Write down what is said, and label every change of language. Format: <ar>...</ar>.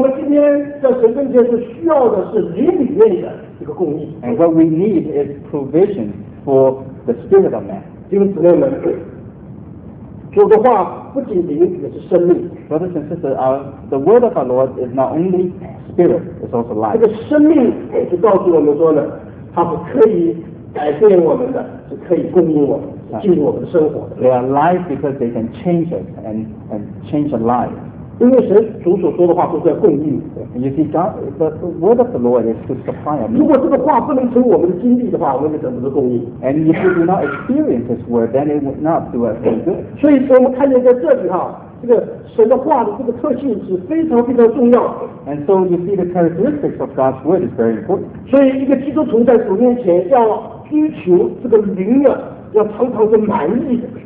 <zh>我们今天在神跟前是需要的是灵里面的一个供应。</zh> <en>And what we need is provision for the spirit of man.</en> <zh>弟兄姊妹们，主的话不仅灵，也是生命。</zh> <en>Brothers and sisters, the word of our Lord is not only spirit, it's also life.</en> <zh>这个生命也就告诉我们说呢，它是可以改变我们的，是可以供应我们，进入我们的生活的。</zh> <en>They are life because they can change us and change our life.</en> <zh>因为神主所说的话都是要供应的。</zh> <en>You see, God, the word of the Lord is to supply us.</en> <zh>如果这个话不能成我们的经历的话，我们就怎么的供应</zh> <en>？And if we do not experience His word, then it would not do us any good.</en> <zh>所以说，我们看见在这里哈，这个神的话的这个特性是非常非常重要的。</zh> <en>And so you see the characteristics of God's word is very important.</en> <zh>所以一个基督徒在主面前要追求这个灵啊，要常常是满意的。</zh>